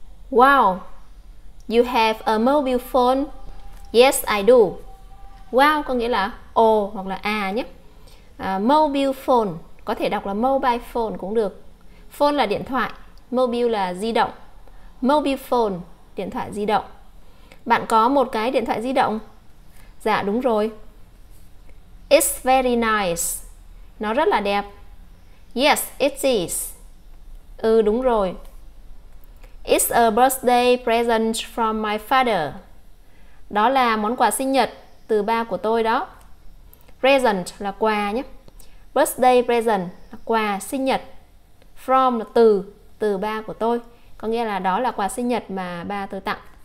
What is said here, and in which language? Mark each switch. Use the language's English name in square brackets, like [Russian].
[English] Wow, you have a mobile phone. Yes, I do. [Vietnamese] Wow có nghĩa là ồ hoặc là à nhé. Mobile phone, có thể đọc là mobile phone cũng được. Phone là điện thoại, mobile là di động. Mobile phone, điện thoại di động. Bạn có một cái điện thoại di động? Dạ đúng rồi. [English] It's very nice. [Vietnamese] Nó rất là đẹp. [English] Yes, it is. [Vietnamese] Ừ đúng rồi. [English] It's a birthday present from my father. [Vietnamese] Đó là món quà sinh nhật từ ba của tôi đó. Present là quà nhé. Birthday present là quà sinh nhật. From là từ ba của tôi. Có nghĩa là đó là quà sinh nhật mà ba tôi tặng.